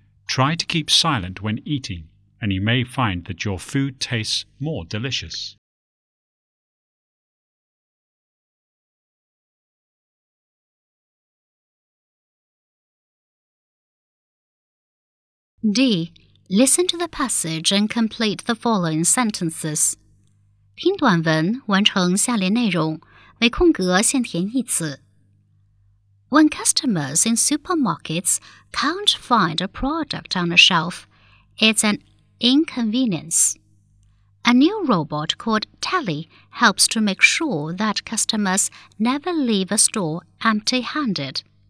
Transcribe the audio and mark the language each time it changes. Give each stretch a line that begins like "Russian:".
English: Try to keep silent when eating, and you may find that your food tastes more delicious. D. Listen to the passage and complete the following sentences.
Chinese: 听短文，完成下列内容，每空格先填一词。
English: When customers in supermarkets can't find a product on a shelf, it's an inconvenience. A new robot called Tally helps to make sure that customers never leave a store empty-handed.